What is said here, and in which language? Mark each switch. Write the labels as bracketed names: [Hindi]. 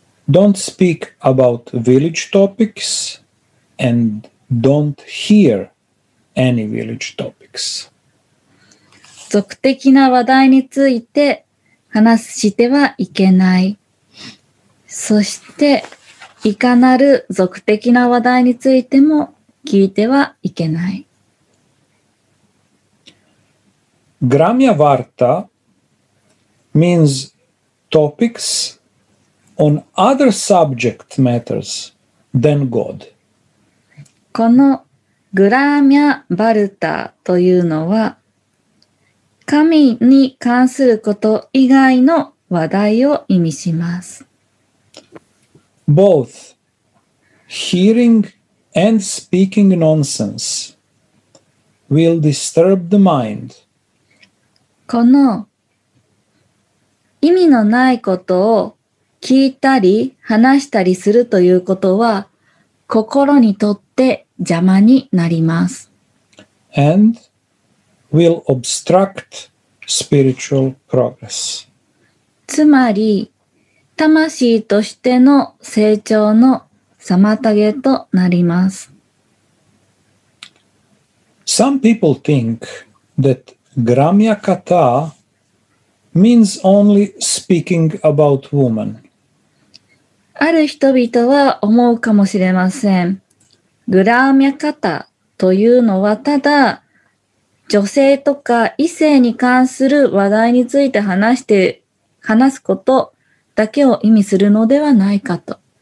[English] Don't speak about village topics and don't hear any village topics. [Japanese] 俗的な話題について話してはいけない。そしていかなる俗的な話題についても聞いてはいけない。 [English] Gramya Varta means topics on other subject matters than God. [Japanese] このグラミャバルタというのは神に関すること以外の話題を意味します。 [English] Both hearing and speaking nonsense will disturb the mind. [Japanese] この意味のないことを聞いたり話したりするということは心にとって邪魔になります。 [English] And will obstruct spiritual progress. [Japanese] つまり魂としての成長の妨げとなります。 [English] Some people think thatGramya Katha means only speaking about woman. [Japanese] ある人々は思うかもしれません。グラミャカタというのはただ女性とか異性に関する話題について話すことだけを意味するのではないかと。